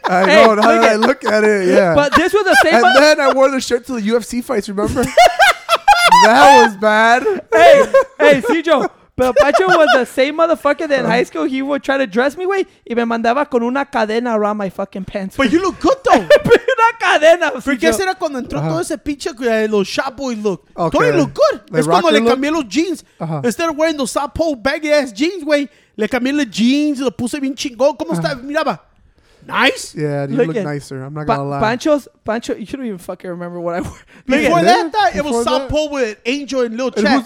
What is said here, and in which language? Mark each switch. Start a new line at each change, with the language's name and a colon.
English: I know. Now that I look at it, yeah. But this was the same. And then I wore the shirt to the UFC fights, remember? That was bad. Hey, Cijo. But Pacho was the same motherfucker that in high school he would try to dress me way.
Spanish: Y me mandaba con una cadena
English: around my fucking pants. But you look good, though.
Spanish: Una cadena, Cijo. Porque será cuando entró todo ese pinche los
English: shop boy look. Okay. Tony look good.
Spanish: Es como le cambié los jeans. Uh-huh.
English: Instead of wearing those sapo baggy ass jeans, way.
Spanish: Le cambié los jeans, lo puse bien chingón. ¿Cómo está? Miraba. Nice.
English: Yeah, you look nicer. I'm not going to lie. Pancho, you don't even fucking remember what I wore. Before that, it was South Pole with Angel and Lil Chat.